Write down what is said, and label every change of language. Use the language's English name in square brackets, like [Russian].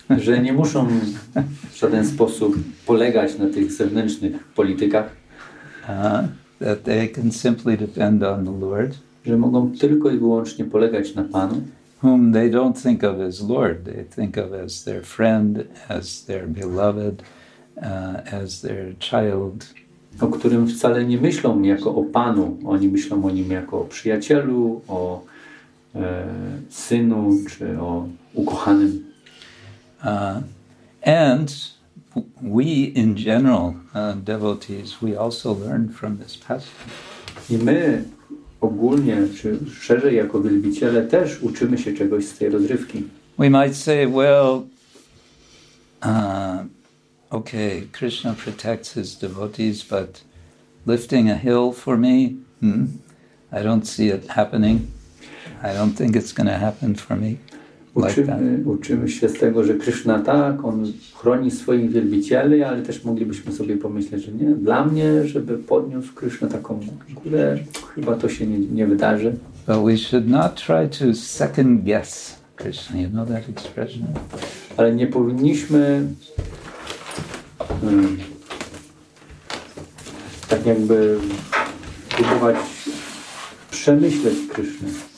[Polish] Że nie muszą w żaden sposób polegać na tych zewnętrznych politykach. [English] That they can simply depend on the Lord. [Polish] Że mogą tylko i wyłącznie polegać na Panu. [English] Whom they don't think of as Lord. They think of as their friend, as their beloved, as their child. [Polish] O którym wcale nie myślą jako o Panu. Oni myślą o nim jako o przyjacielu, o synu, czy o ukochanym. [English] And we in general, devotees, we also learn from this passage. [Polish] I my ogólnie, czy szerzej jako wielbiciele, też uczymy się czegoś z tej rozrywki. [English] We might say, well, okay, Krishna protects his devotees, but lifting a hill for me, I don't see it happening. I don't think it's going to happen for me. [Polish] Uczymy się z tego, że Krishna tak, on chroni swoich wielbicieli, ale też moglibyśmy sobie pomyśleć, że nie, dla mnie, żeby podniósł Krishna taką górę, chyba to się nie wydarzy. [English] But we should not try to second guess Krishna. You know that expression? [Polish] Ale nie powinniśmy tak jakby próbować przemyśleć Krishna.